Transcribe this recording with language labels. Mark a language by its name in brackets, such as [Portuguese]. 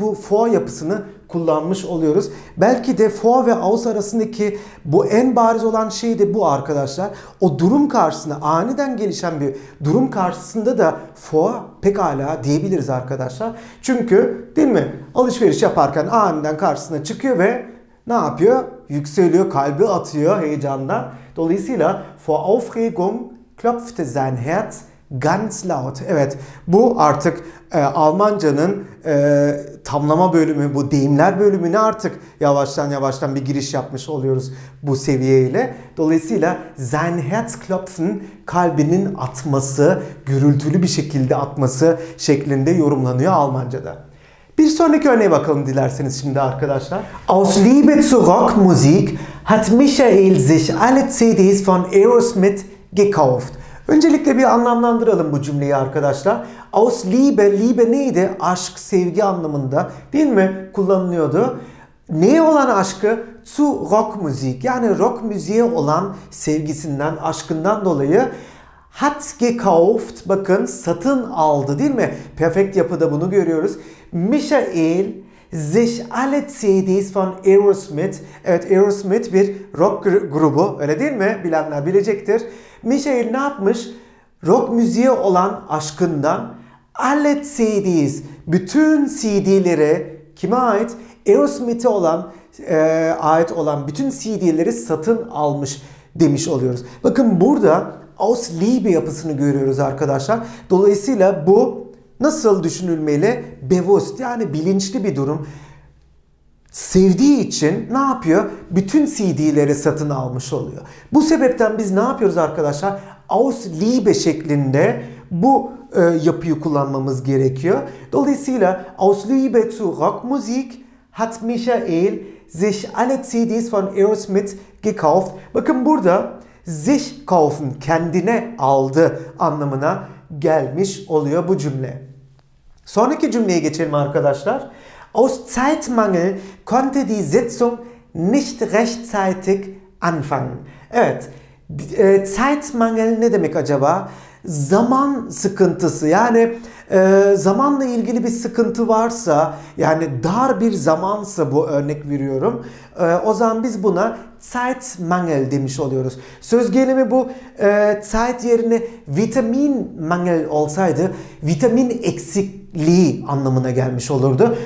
[Turkish] Bu vor yapısını kullanmış oluyoruz. Belki de vor ve aus arasındaki bu en bariz olan şey de bu arkadaşlar. O durum karşısında, aniden gelişen bir durum karşısında da vor pekala diyebiliriz arkadaşlar. Çünkü, değil mi? Alışveriş yaparken aniden karşısına çıkıyor ve ne yapıyor? Yükseliyor, kalbi atıyor heyecandan. [German] Dolayısıyla vor Aufregung klopfte sein Herz ganz laut. [Turkish] Evet, bu artık Almanca'nın tamlama bölümü, bu deyimler bölümüne artık yavaştan yavaştan bir giriş yapmış oluyoruz bu seviyeyle. Dolayısıyla sein Herz klopfen, kalbinin atması, gürültülü bir şekilde atması şeklinde yorumlanıyor Almanca'da. Bir sonraki örneğe bakalım dilerseniz şimdi arkadaşlar. [German] Aus Liebe zu Rockmusik hat Michael sich alle CDs von Aerosmith gekauft. [Turkish] Öncelikle bir anlamlandıralım bu cümleyi arkadaşlar. Aus Liebe, Liebe neydi? Aşk, sevgi anlamında, değil mi? Kullanılıyordu. Neye olan aşkı? Zu Rockmusik. Yani rock müziğe olan sevgisinden, aşkından dolayı hat gekauft, bakın satın aldı, değil mi? Perfekt yapıda bunu görüyoruz. [German] Michael sich alle CDs von Aerosmith. [Turkish] Evet, Aerosmith bir rock grubu, öyle değil mi? Bilenler bilecektir. Michael ne yapmış? Rock müziğe olan aşkından alle CDs, bütün CD'leri kime ait? Aerosmith'e olan, ait olan bütün CD'leri satın almış demiş oluyoruz. Bakın burada aus Liebe yapısını görüyoruz arkadaşlar. Dolayısıyla bu nasıl düşünülmeli? Bewusst, yani bilinçli bir durum. Sevdiği için ne yapıyor? Bütün CD'leri satın almış oluyor. Bu sebepten biz ne yapıyoruz arkadaşlar? Aus Liebe şeklinde bu yapıyı kullanmamız gerekiyor. [German] Dolayısıyla aus Liebe zu Rockmusik hat Michael sich alle CDs von Aerosmith gekauft. [Turkish] Bakın burada sich kaufen, kendine aldı anlamına gelmiş oluyor bu cümle. Sonraki cümleye geçelim arkadaşlar. [German] Aus Zeitmangel konnte die Sitzung nicht rechtzeitig anfangen. [Turkish] Evet, Zeitmangel ne demek acaba? Zaman sıkıntısı, yani zamanla ilgili bir sıkıntı varsa, yani dar bir zamansa, bu örnek veriyorum, o zaman biz buna Zeitmangel demiş oluyoruz. Söz gelimi bu, Zeit yerine vitamin mangel olsaydı vitamin eksikliği anlamına gelmiş olurdu.